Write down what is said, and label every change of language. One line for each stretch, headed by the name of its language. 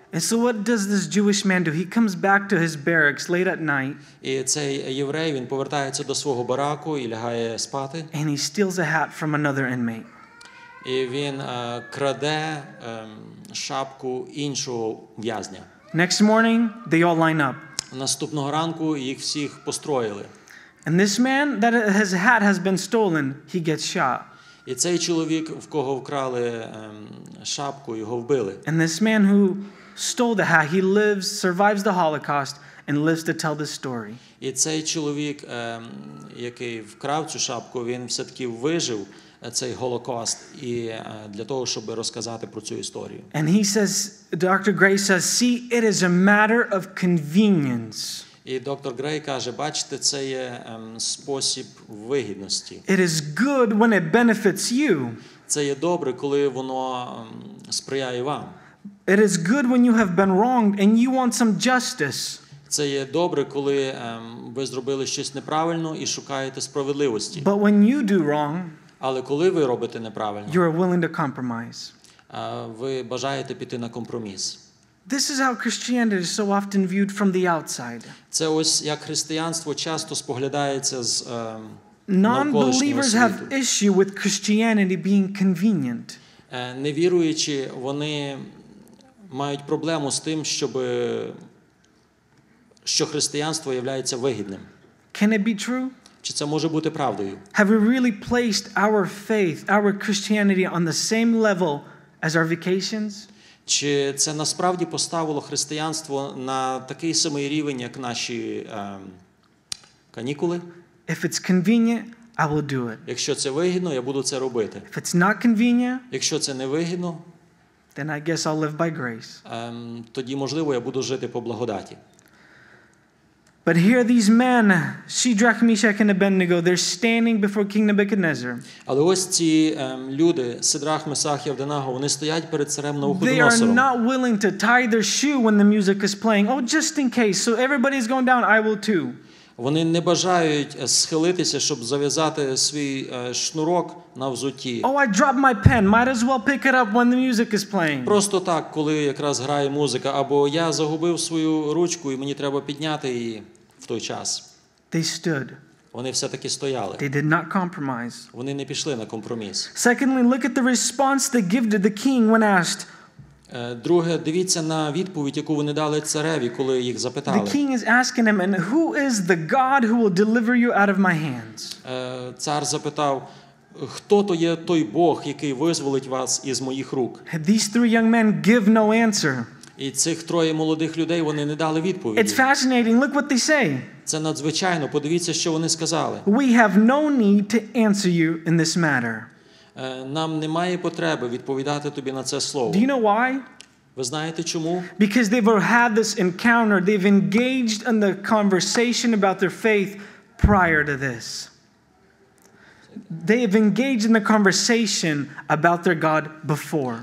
English: And so what does this Jewish man do? He comes back to his barracks late at night.
Ukrainian: І цей єврей, він повертається до свого бараку і лягає спати.
English: And he steals a hat from another inmate.
Ukrainian: І він краде шапку іншого в'язня.
English: Next morning, they all line up.
Ukrainian: Наступного ранку їх всіх построїли.
English: And this man, that his hat has been stolen, he gets shot.
Ukrainian: І цей чоловік, в кого вкрали шапку, його вбили.
English: And this man who stole the hat, he lives, survives the Holocaust, and lives to tell this story.
Ukrainian: І цей чоловік, який вкрав цю шапку, він все-таки вижив цей Голокост і для того, щоб розказати про цю історію.
English: And he says, Dr. Gray says, see, it is a matter of convenience.
Ukrainian: І доктор Грей каже, бачите, це є спосіб вигідності.
English: It is good when it benefits you.
Ukrainian: Це є добре, коли воно сприяє вам.
English: It is good when you have been wronged and you want some justice.
Ukrainian: Це є добре, коли ви зробили щось неправильно і шукаєте справедливості.
English: But when you do wrong,
Ukrainian: але коли ви робите неправильно,
English: you are willing to compromise.
Ukrainian: Ви бажаєте піти на компроміс.
English: This is how Christianity is so often viewed from the outside.
Ukrainian: Це ось як християнство часто споглядається з
English: Non-believers have issue with Christianity being convenient.
Ukrainian: Невіруючі, вони мають проблему з тим, що християнство являється вигідним.
English: Can it be true?
Ukrainian: Чи це може бути правдою?
English: Have we really placed our faith, our Christianity on the same level as our vacations?
Ukrainian: Чи це насправді поставило християнство на такий самий рівень, як наші канікули?
English: If it's convenient, I will do it.
Ukrainian: Якщо це вигідно, я буду це робити.
English: If it's not convenient,
Ukrainian: якщо це не вигідно,
English: then I guess I'll live by grace.
Ukrainian: Тоді, можливо, я буду жити по благодаті.
English: But here these men, Shadrach, Meshach, and Abednego, they're standing before King Nebuchadnezzar.
Ukrainian: Але ось ці люди, Сидрах, Месах і Авденаго, вони стоять перед царем Навуходоносором.
English: They are not willing to tie their shoe when the music is playing. Oh, just in case. So everybody is going down, I will too.
Ukrainian: Вони не бажають схилитися, щоб зав'язати свій шнурок на взуті.
English: Oh, I dropped my pen. Might as well pick it up when the music is playing.
Ukrainian: Просто так, коли якраз грає музика, або я загубив свою ручку і мені треба підняти її в той час.
English: They stood.
Ukrainian: Вони все-таки стояли.
English: They did not compromise.
Ukrainian: Вони не пішли на компроміс.
English: Secondly, look at the response they give to the king when asked.
Ukrainian: Друге, дивіться на відповідь, яку вони дали цареві, коли їх запитали.
English: The king is asking him, and who is the God who will deliver you out of my hands?
Ukrainian: Цар запитав, хто то є той Бог, який визволить вас із моїх рук?
English: These three young men give no answer.
Ukrainian: І цих троє молодих людей, вони не дали відповіді.
English: It's fascinating. Look what they say.
Ukrainian: Це надзвичайно. Подивіться, що вони сказали.
English: We have no need to answer you in this matter.
Ukrainian: Нам немає потреби відповідати тобі на це слово.
English: Do you know why?
Ukrainian: Ви знаєте чому?
English: Because they've had this encounter, they've engaged in the conversation about their faith prior to this. They've engaged in the conversation about their God before.